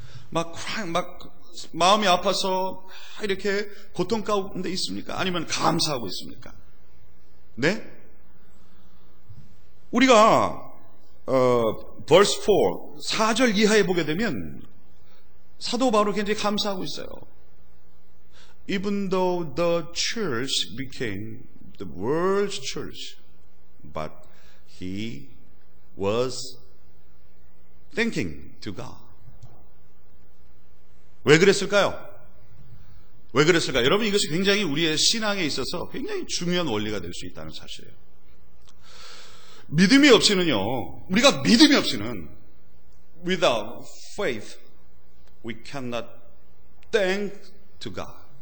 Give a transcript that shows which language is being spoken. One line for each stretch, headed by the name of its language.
Korean: 막 막 마음이 아파서 이렇게 고통 가운데 있습니까? 아니면 감사하고 있습니까? 네? 우리가 verse 4, 4절 이하에 보게 되면 사도 바울이 굉장히 감사하고 있어요.
English: Even though the church became the world's church, but he was thanking to God.
Korean: 왜 그랬을까요? 왜 그랬을까요? 여러분, 이것이 굉장히 우리의 신앙에 있어서 굉장히 중요한 원리가 될 수 있다는 사실이에요. 믿음이 없이는요, 우리가 믿음이 없이는
English: without faith we cannot thank to God.